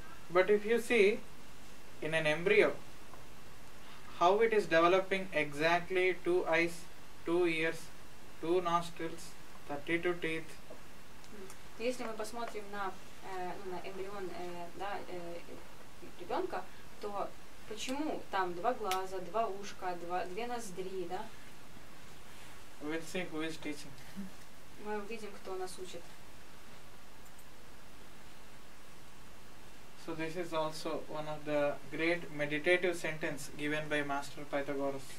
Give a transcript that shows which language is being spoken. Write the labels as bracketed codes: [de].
[en] But if you see in an embryo, how it is developing exactly two eyes, two ears, two nostrils, 32 teeth. [ru] Если мы посмотрим на на эмбрион да, ребенка, то почему там два глаза, два ушка, две ноздри, да? [en] We'll see who is teaching. [ru] Мы увидим, кто нас учит. [en] So this is also one of the great meditative sentences given by Master Pythagoras.